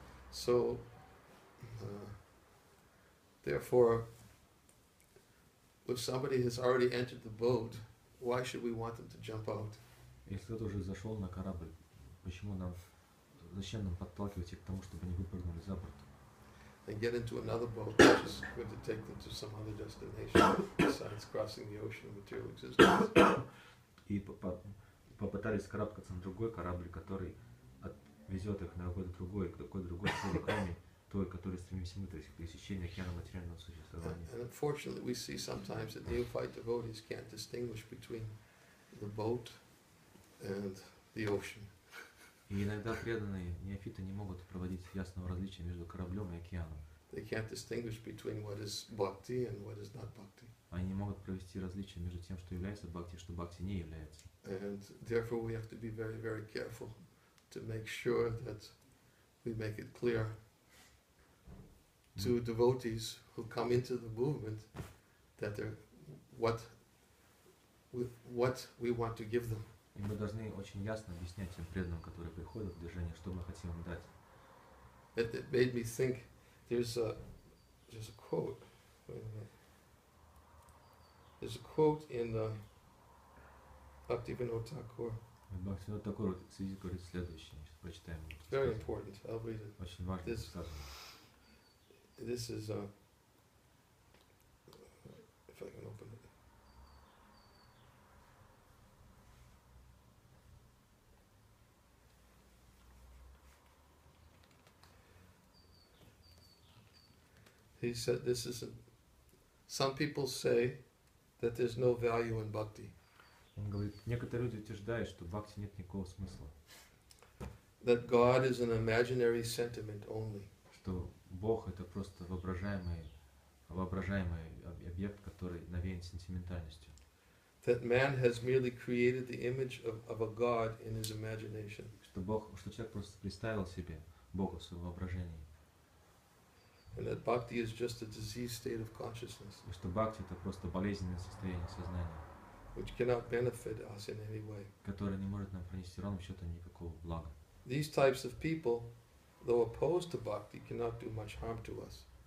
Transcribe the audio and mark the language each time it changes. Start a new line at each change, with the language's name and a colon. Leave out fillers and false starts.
English: So, therefore, if somebody has already entered the boat, why should we want them to jump out?
Russian: Если кто-то уже зашел на корабль, почему нам, зачем нам подталкивать их к тому, чтобы они выпрыгнули за борт?
English: And get into another boat, which is going to take them to some other destination besides crossing the ocean of material existence.
Russian: И попытались карабкаться на другой корабль, который везет их на какой-то другой цели, кроме той, которой стремимся мы, то есть пересечения океана материального существования.
English: And unfortunately, we see sometimes that neophyte devotees can't distinguish between the boat and the ocean.
Russian: И иногда преданные неофиты не могут проводить ясного различия между кораблем и океаном.
English: They can't distinguish between what is bhakti and what is not bhakti.
Russian: Они не могут провести различия между тем, что является бхакти, и что бхакти не является.
English: And therefore we have to be very, very careful to make sure that we make it clear to devotees who come into the movement that they're what we want to give them.
Russian: И мы должны очень ясно объяснять тем преданным, которые приходят в движение, что мы хотим им дать.
English: It made me think, there's a quote. There's a quote in the Bhaktivinoda Thakur.
Russian: Bhaktivinoda Thakur говорит следующее, сейчас прочитаем.
English: Very important, I'll read it.
Russian: Очень важно сказано.
English: This is a, if I can open it. He said, "This is. Some people say that there's no value in bhakti."
Russian: Он говорит, некоторые люди утверждают, что в бхакти нет никакого смысла.
English: That God is an imaginary sentiment only.
Russian: Что Бог это просто воображаемый объект, который навеян сентиментальностью.
English: That man has merely created the image of a god in his imagination.
Russian: Что человек просто представил себе Бога в своем воображении.
English: And that bhakti is just a diseased state of consciousness.
Russian: Что бхакти это просто болезненное состояние сознания.
English: which cannot benefit us in any way.
Russian: Которые не могут нам принести ровным счетом никакого блага.
English: These types of people, though opposed to bhakti, cannot do much harm to us.